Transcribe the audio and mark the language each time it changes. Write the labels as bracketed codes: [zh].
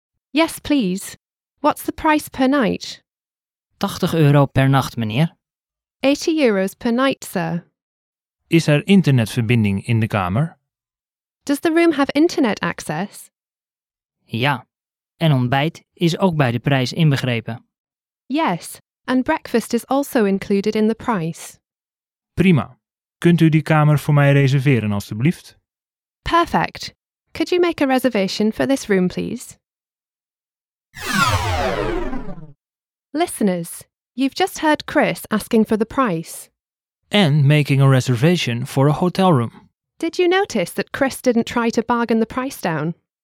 [en] Yes, please. What's the price per night? [nl] €80 per nacht, meneer. [en] €80 per night, sir. [nl] Is er internetverbinding in de kamer? [en] Does the room have internet access? [nl] Ja, en ontbijt is ook bij de prijs inbegrepen. [en] Yes, and breakfast is also included in the price. [nl] Prima. Kunt u die kamer voor mij reserveren, alstublieft? [en] Perfect. Could you make a reservation for this room, please? Listeners, you've just heard Chris asking for the price. And making a reservation for a hotel room. Did you notice that Chris didn't try to bargain the price down?